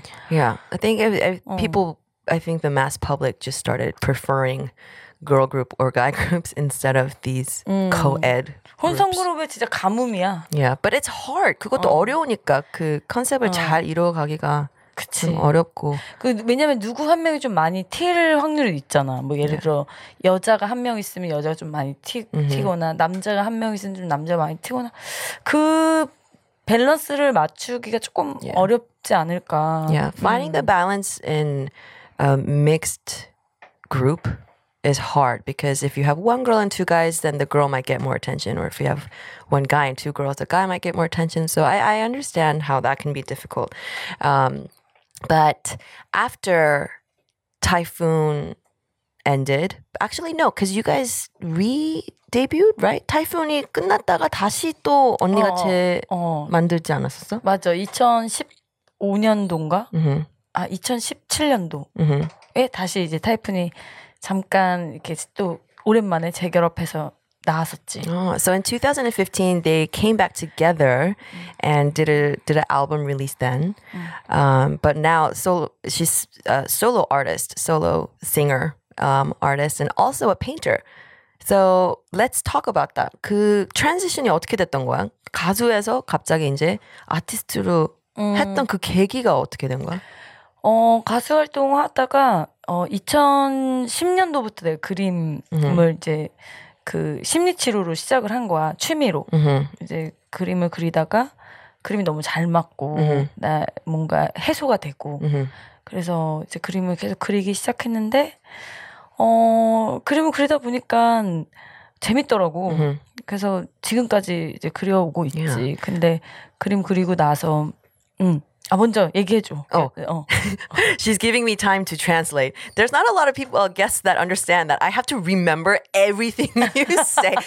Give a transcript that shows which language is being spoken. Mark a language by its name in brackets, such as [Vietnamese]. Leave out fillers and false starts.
[English] Yeah. I think I think the mass public just started preferring girl group or guy groups instead of these co-ed. [Korean] 혼성 그룹에 진짜 가뭄이야. [English] Yeah, but it's hard. [Korean] 그것도 어려우니까 그 컨셉을 잘 이루어가기가 좀 어렵고. 그 왜냐면 누구 한 명이 좀 많이 튈 확률이 있잖아. 뭐 예를 들어 여자가 한 명 있으면 여자가 좀 많이 튀거나 남자가 한 명 있으면 좀 남자가 많이 튀거나 그 밸런스를 맞추기가 조금 어렵지 않을까. [English] Yeah, finding the balance in a mixed group is hard because if you have one girl and two guys, then the girl might get more attention. Or if you have one guy and two girls, the guy might get more attention. So I understand how that can be difficult. But after Typhoon ended, actually, no, because you guys debuted, right? [Korean] 타이푼이 끝났다가 다시 또 언니가 제 만들지 않았었어? 맞아. 2015년도인가? Mm-hmm. 아, 2017년도에 mm-hmm. 다시 이제 타이푼이 잠깐 이렇게 또 오랜만에 재결합해서 나왔었지. [English] Oh, so in 2015, they came back together and did an album release then. But now, she's a solo artist, solo singer artist, and also a painter. So let's talk about that. [Korean] 그 트랜지션이 어떻게 됐던 거야? 가수에서 갑자기 이제 아티스트로 했던 그 계기가 어떻게 된 거야? 가수 활동 하다가 2010년도부터 내가 그림을 이제 그 심리치료로 시작을 한 거야. 취미로. 이제 그림을 그리다가 그림이 너무 잘 맞고 나 뭔가 해소가 되고 그래서 이제 그림을 계속 그리기 시작했는데 그림을 그리다 보니까 재밌더라고. Mm-hmm. 그래서 지금까지 이제 그려오고 있지. Yeah. 근데 그림 그리고 나서, 아, 먼저 얘기해줘. [English] She's giving me time to translate. There's not a lot of people, guests that understand that I have to remember everything you say.